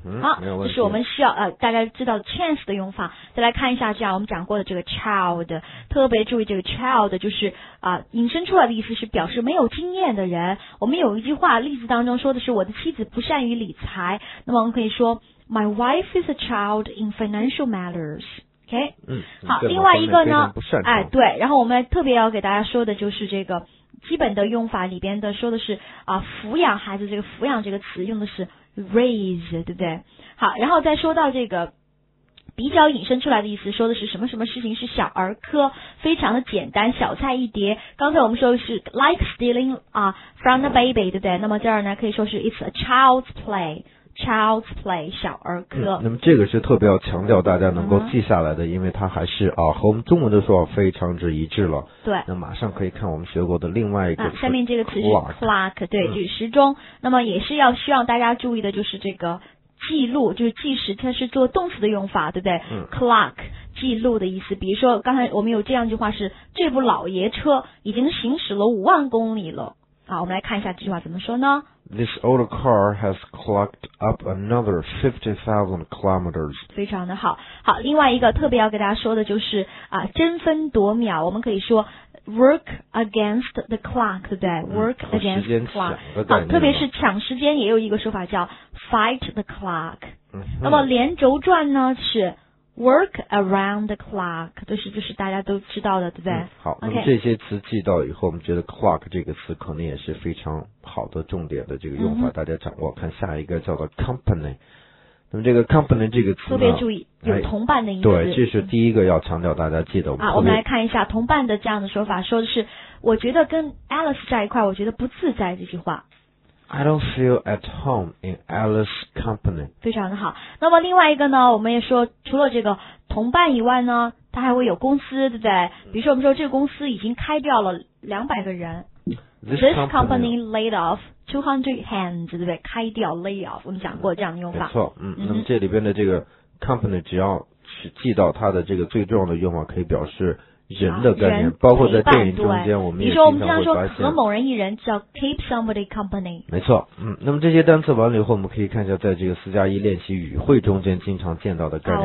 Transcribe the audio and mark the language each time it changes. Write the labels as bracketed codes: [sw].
[zh] 好，就是我们需要大家知道 chance 的用法。再来看一下这样我们讲过的这个 child， 特别注意这个 child， 就是引申出来的意思是表示没有经验的人。我们有一句话例子当中说的是我的妻子不善于理财，那么我们可以说。 [en] My wife is a child in financial matters. [zh] OK， 好，另外一个呢，哎，对，然后我们特别要给大家说的就是这个基本的用法里边的说的是抚养孩子，这个抚养这个词用的是 raise， 对不对？好，然后再说到这个比较引申出来的意思，说的是什么什么事情是小儿科，非常的简单，小菜一碟。刚才我们说的是 [en] like stealing from the baby， [zh] 对不对？那么这儿呢，可以说是 [en] it's a child's play。 Child's play， [zh] 小儿科。那么这个是特别要强调大家能够记下来的，因为它还是和我们中文的说法非常之一致了。对。那马上可以看我们学过的另外一个词。下面这个词是 clock， 对，就是时钟。那么也是要需要大家注意的，就是这个记录，就是计时，它是做动词的用法，对不对？ Clock， 记录的意思。比如说刚才我们有这样一句话是：这部老爷车已经行驶了50,000公里了。好，我们来看一下这句话怎么说呢 [en] ？This old car has clocked up another 50,000 kilometers。 [zh] 非常的好，好，另外一个特别要给大家说的就是争分夺秒，我们可以说 [en] work against the clock， [zh] 对不对 ？ [en] Work against the clock。 [zh] 好，特别是抢时间，也有一个说法叫 [en] fight the clock。 [zh] 那么连轴转呢是。 [en] Work around the clock， [zh] 就是大家都知道的，对不对？好， okay。那么这些词记到以后，我们觉得 clock 这个词可能也是非常好的重点的这个用法，大家掌握。看下一个叫做 company， 那么这个 company 这个词特别注意有同伴的意思。对，这是第一个要强调大家记得。我们来看一下同伴的这样的说法，说的是我觉得跟 Alice 在一块，我觉得不自在这句话。 [en] I don't feel at home in Alice's company. [zh] 非常的好。那么另外一个呢，我们也说除了这个同伴以外呢，他还会有公司，对不对？比如说我们说这个公司已经开掉了200个人。 [en] This company laid off 200 hands， [zh] 对不对？开掉 [en] lay off， [zh] 我们讲过这样的用法。没错，那么这里边的这个 company 只要是记到它的这个最重要的用法，可以表示。人的概念，包括在电影中间，我们也经常会发现，和某人一人叫 [en] keep somebody company。 [zh] 没错，那么这些单词完了以后，我们可以看一下，在这个4+1练习语会中间经常见到的概念。